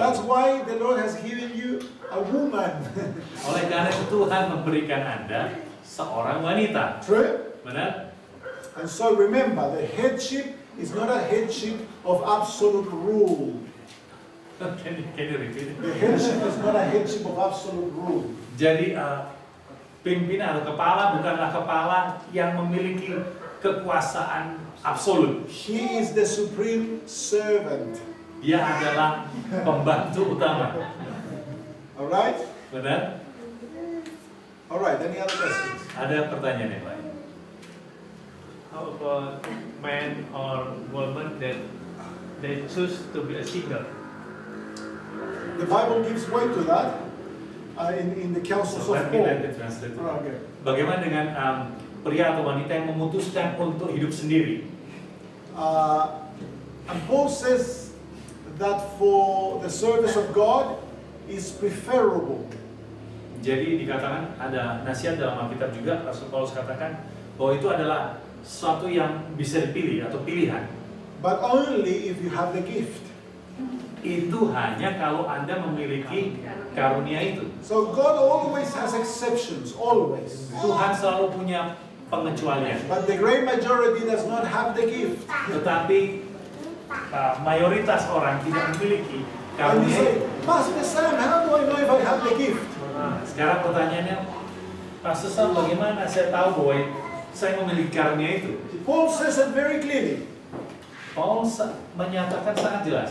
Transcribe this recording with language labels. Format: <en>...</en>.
<en>That's why the Lord has given you a woman.</en> <id>Oleh karena itu Tuhan memberikan Anda seorang wanita.</id> <en>True.</en> <id>Benar.</id> <en>And so remember, the headship is not a headship of absolute rule. Can you repeat it? The headship is not a headship of absolute rule.</en> <id>Jadi pimpinan atau kepala bukanlah kepala yang memiliki kekuasaan absolut.</id> <en>He is the supreme servant.</en> <id>Dia adalah pembantu utama.</id> <en>All right?</en> <id>Benar?</id> <en>All right, any other questions?</en> <id>Ada pertanyaan yang lain?</id> <en>How about man or woman that they choose to be a single? The Bible gives way to that in the councils of Paul. Let me translate. Oh, okay.</en> <id>Bagaimana dengan pria atau wanita yang memutuskan untuk hidup sendiri?</id> <en>And Paul says that for the service of God is preferable.</en> <id>Jadi dikatakan ada nasihat dalam Alkitab juga, Rasul Paulus katakan bahwa itu adalah sesuatu yang bisa dipilih atau pilihan.</id> <en>But only if you have the gift.</en> <id>Itu hanya kalau Anda memiliki karunia itu.</id> <en>So God always has exceptions, always.</en> <id>Tuhan selalu punya pengecualian.</id> <en>But the great majority does not have the gift.</en> <id>Tetapi mayoritas orang tidak memiliki karunia.</id> <en>And you say, Pastor Sam, how do I know if I have the gift?</en> <id>Sekarang pertanyaannya, Pastor Sam, bagaimana saya tahu bahwa saya memiliki karunia itu?</id> <en>Paul says it very clearly.</en> <id>Paul menyatakan sangat jelas.</id>